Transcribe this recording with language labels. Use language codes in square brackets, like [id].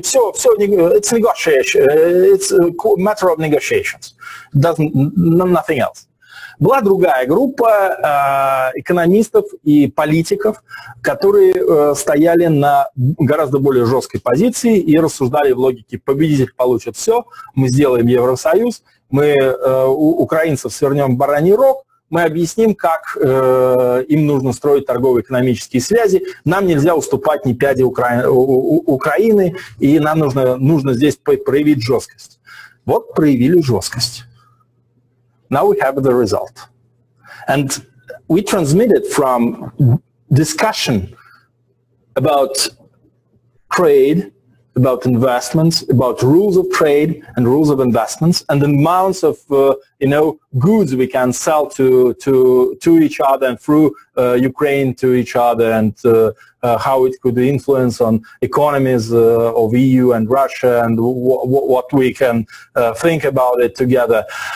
[ru] Все, все, [en] it's negotiation, it's a matter of negotiations, doesn't, nothing else. [ru] Была другая группа экономистов и политиков, которые стояли на гораздо более жесткой позиции и рассуждали в логике «победитель получит все, мы сделаем Евросоюз, мы у украинцев свернем бараний рог, мы объясним, как им нужно строить торгово-экономические связи, нам нельзя уступать ни пяди Украины, и нам нужно здесь проявить жесткость». Вот проявили жесткость. [en] Now we have the result. And we transmitted from discussion about trade, about investments, about rules of trade and rules of investments, and the amounts of goods we can sell to each other and through Ukraine to each other, and how it could influence on economies of EU and Russia, and what we can think about it together.